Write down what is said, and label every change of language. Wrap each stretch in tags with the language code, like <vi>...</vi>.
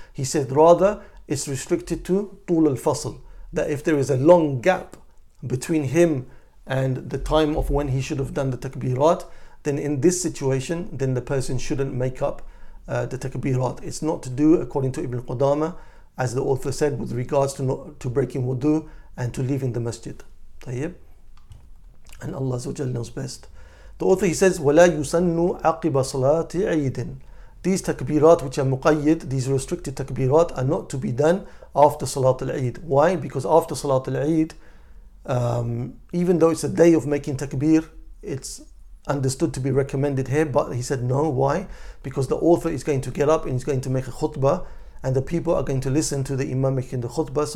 <en>He said rather it's restricted to tul al-fasl, that if there is a long gap between him and the time of when he should have done the takbirat, then in this situation, then the person shouldn't make up the takbirat. It's not to do, according to Ibn Qudamah, as the author said, with regards to to breaking wudu and to leaving the masjid. طيب. And Allah knows best. The author, he says,</en> <ar>وَلَا يُسَنُّ عَقِبَ صَلَاةِ عَيْدٍ.</ar> <en>These takbirat, which are muqayyid, these restricted takbirat, are not to be done after Salat al-Eid. Why? Because after Salat al-Eid, even though it's a day of making takbir, it's understood to be recommended here, but he said no. Why? Because the author is going to get up and he's going to make a khutbah, and the people are going to listen to the imam making the khutbah.</en>